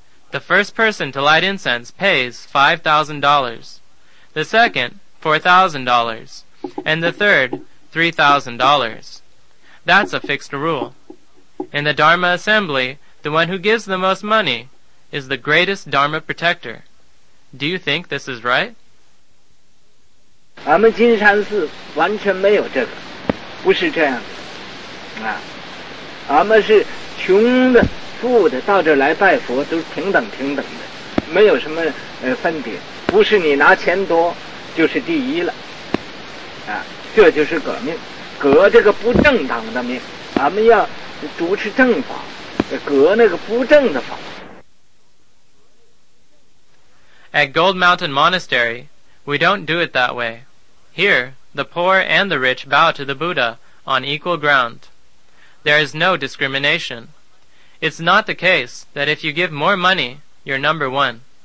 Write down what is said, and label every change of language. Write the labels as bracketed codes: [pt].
[en] The first person to light incense pays $5,000. The second, $4,000. And the third, $3,000. That's a fixed rule. In the Dharma assembly, the one who gives the most money is the greatest Dharma protector. Do you think this is right? [zh] 我们金山寺完全没有这个，不是这样的啊。我们是穷的、富的，到这来拜佛都平等平等的，没有什么分别。不是你拿钱多就是第一了啊，这就是革命，革这个不正当的命。我们要主持正法，革那个不正的法。 [en] At Gold Mountain Monastery, we don't do it that way. Here, the poor and the rich bow to the Buddha on equal ground. There is no discrimination. It's not the case that if you give more money, you're number one.